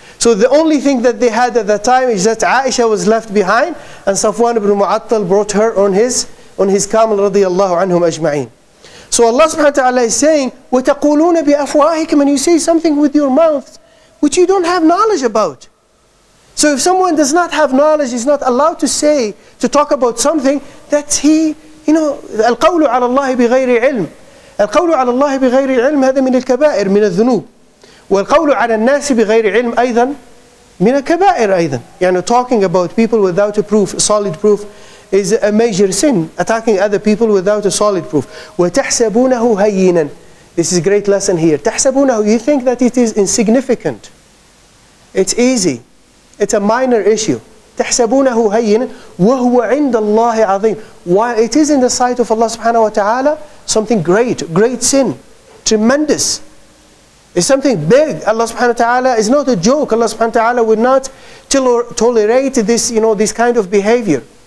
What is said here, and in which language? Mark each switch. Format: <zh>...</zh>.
<en>So the only thing that they had at that time is that Aisha was left behind, and Safwan ibn Mu'attal brought her on his camel, radiyallahu anhum ajma'in. So Allah subhanahu wa ta'ala is saying,</en> <ar>وَتَقُولُونَ بِأَفْوَاهِكُمْ,</ar> <en>and you say something with your mouth, which you don't have knowledge about. So if someone does not have knowledge, is not allowed to say, to talk about something, that he, you know,</en> <ar>الْقَوْلُ عَلَى اللَّهِ بِغَيْرِ عِلْمٍ, الْقَوْلُ عَلَى اللَّهِ بِغَيْرِ عِلْمٍ هَذَا مِنَ الْكَبَائِرِ مِنَ الذُّنُوبِ والقول على الناس بغير علم أيضا من الكبائر أيضا.</ar> <en>يعني talking about people without a proof, solid proof, is a major sin. Attacking other people without a solid proof.</en> <ar>وتحسبونه هينا.</ar> <en>This is a great lesson here.</en> <ar>تحسبونه,</ar> <en>you think that it is insignificant. It's easy. It's a minor issue.</en> <ar>تحسبونه هينا وهو عند الله عظيم.</ar> <en>While it is in the sight of Allah subhanahu wa ta'ala, something great, great sin, tremendous. It's something big. Allah subhanahu wa ta'ala is not a joke. Allah subhanahu wa ta'ala would not tolerate this, you know, this kind of behavior.</en>